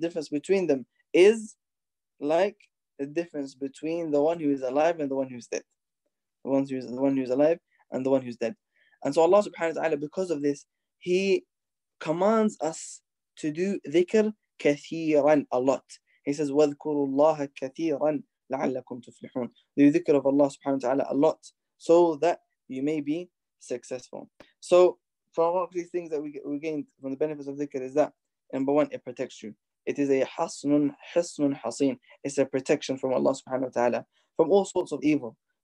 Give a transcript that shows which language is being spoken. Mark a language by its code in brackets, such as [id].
[en] The difference between them is like the difference between the one who is alive and the one who is dead. The one who is alive and the one who is dead. And so Allah subhanahu wa ta'ala, because of this, He commands us to do dhikr kathiran, a lot. He says, [ar] وَذْكُرُوا اللَّهَ كَثِيرًا لَعَلَّكُمْ تُفْلِحُونَ. [en] Do dhikr of Allah subhanahu wa ta'ala a lot so that you may be successful. So from all of these things that we gained from the benefits of dhikr is that, number one, it protects you. It is a hasnun, hasnun haseen. It's a protection from Allah subhanahu wa ta'ala from all sorts of evil.